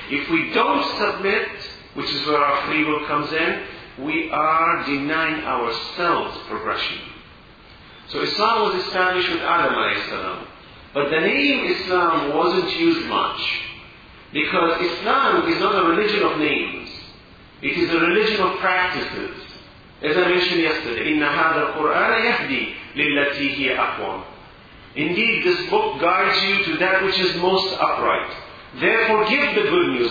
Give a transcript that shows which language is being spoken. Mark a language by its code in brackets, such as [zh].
[en] If we don't submit, which is where our free will comes in, we are denying ourselves progression. So Islam was established with Adam al-Islam. But the name Islam wasn't used much. Because Islam is not a religion of names. It is a religion of practices. As I mentioned yesterday, [ar] إِنَّ هَذَا الْقُرْآنَ يَهْدِي لِلَّتِي هِيَ أَقْوَمُ. [en] Indeed, this book guides you to that which is most upright. Therefore, give the good news.